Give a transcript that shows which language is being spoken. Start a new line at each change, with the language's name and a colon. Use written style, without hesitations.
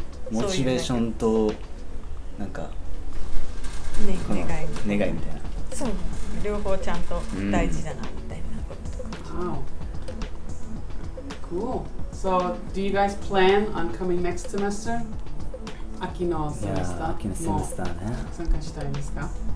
Japanese: モチベーションとなんか、ね、この願い、ね、願いみたいな、そう両方ちゃんと大事だなみたいなこととか、
English: うん、Wow. Cool. So do you guys plan on coming next semester?
Japanese: 秋のセメスターも参加したいんですか？